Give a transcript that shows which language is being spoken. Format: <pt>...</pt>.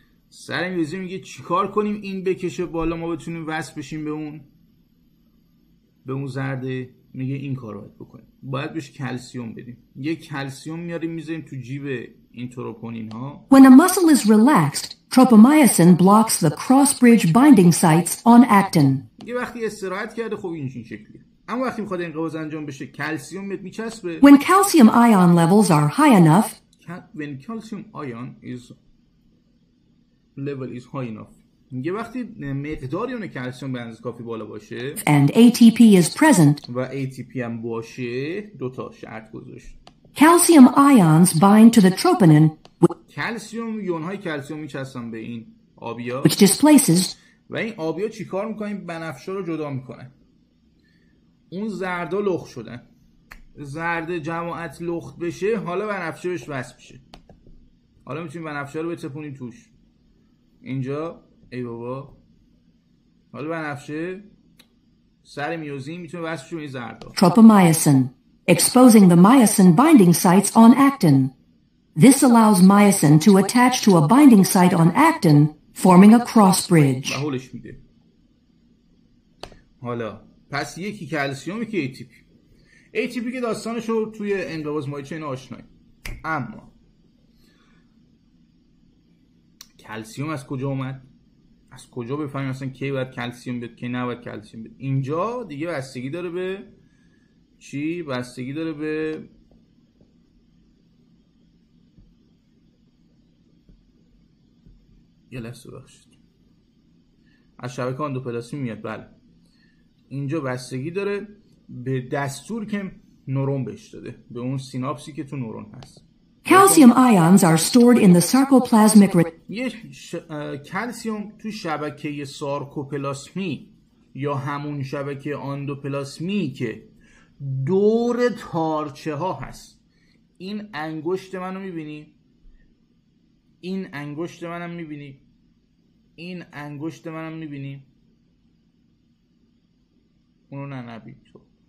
<fa>سر میوزین میگه چیکار کنیم این بکشه بالا ما بتونیم وصل بشیم به اون زرده؟ میگه این کار رو باید بکنیم، باید بهش کلسیوم بدیم. یه کلسیوم میاریم میذاریم تو جیب این تروپونین ها.</fa> <en>When a muscle is relaxed, tropomyosin blocks the cross-bridge binding sites on actin.</en> <fa>یه وقتی استراحت کرده خب این شکلیه. اما وقتی میخواد انقباض انجام بشه کلسیوم میاد میچسبه.</fa> <en>When calcium ion levels are high enough, when calcium ion is level is high enough.</en> <fa>میگه وقتی مقدار ایون کلسیم به اندازه کافی بالا باشه</fa> <en>and ATP is present</en> <fa>و ATP هم باشه دو تا شرط گذاشت.</fa> <en>Calcium ions bind to the troponin.</en> <fa>کلسیم ایون های کلسیم میچسبن به این آبیا.</fa> <en>Which displaces</en> <fa>و این آبیا چیکار میکنه؟ بنفشا رو جدا میکنه. اون زرد لخت شده. زرد جماعت لخت بشه حالا بنفشه بهش وصل میشه. حالا میتونیم بنفشه رو بچپونیم توش. اینجا ای بابا حالا بنفشه سر میوزین میتونه وصل شه به زرد.</fa> <en>Tropomyosin exposing the myosin binding sites on actin. This allows myosin to attach to a binding site on actin forming a cross bridge.</en> <fa>حالش میده. حالا پس یکی کلسیم یکی ATP. ATP که داستانش رو توی انقباض مایچه اینا آشنایی. اما کلسیوم از کجا اومد؟ از کجا بفهمیم اصلا کی باید کلسیوم بیاد کی نباید کلسیوم بیاد؟ اینجا دیگه بستگی داره به چی؟ بستگی داره به یه لحظه بخشید از شبکه اندوپلاسمی میاد. بله اینجا بستگی داره به دستور که نورون بهش داده، به اون سیناپسی که تو نورون هست.</fa> <en>Calcium ions are stored in the sarcoplasmic ring.</en> <fa>کلسیم تو شبکه سارکوپلاسمی یا همون شبکه اندوپلاسمی که دور تارچه ها هست. این انگشت منو میبینی؟ این انگشت منم میبینی؟ این انگشت منم میبینی؟ اونو ننبید تو.</fa>